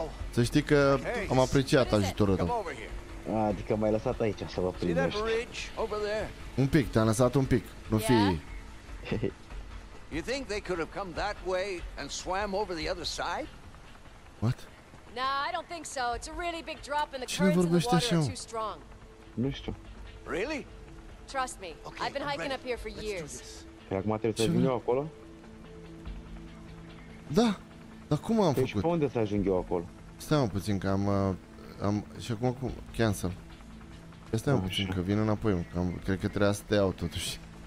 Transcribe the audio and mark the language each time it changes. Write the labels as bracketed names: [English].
[Romanian] Să știi că am apreciat ajutorul tău. Adică m-ai lăsat aici să vă primești. Un pic, te-am lăsat un pic, nu fi... [English] You think they could have come that way and swam over the other side? What? Nah, I don't think so. It's a really big drop and the currents of the water are too strong. [Romanian] Nu știu. [English] Really? Trust me. Okay, I've been hiking up here for years. [Romanian] Păi acum trebuie să ajung eu acolo? Da. Dar cum am făcut? Deci pe unde să ajung eu acolo? Stai-mă puțin că am... Și acum cum? Cancel. Stai-mă puțin că vin înapoi. Că am, cred că trebuia să te iau totuși.